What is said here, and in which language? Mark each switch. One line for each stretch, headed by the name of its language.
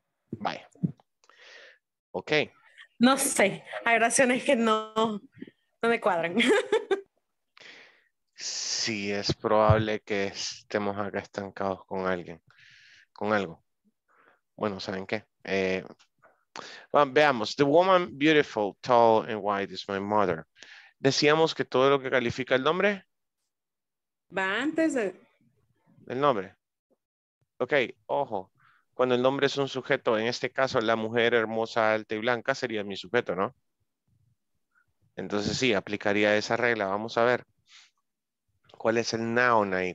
English: Bye. Ok.
Spanish: No sé, hay oraciones que no me cuadran. Sí, es probable que estemos acá estancados con alguien, con algo. Bueno, ¿saben qué? Bueno, veamos.
English: The woman beautiful, tall and white is my mother.
Spanish: Decíamos que todo lo que califica el nombre va antes de... el nombre. Ok, ojo. Cuando el nombre es un sujeto, en este caso la mujer hermosa, alta y blanca sería mi sujeto, ¿no? Entonces sí, aplicaría esa regla. Vamos a ver. ¿Cuál es el noun ahí?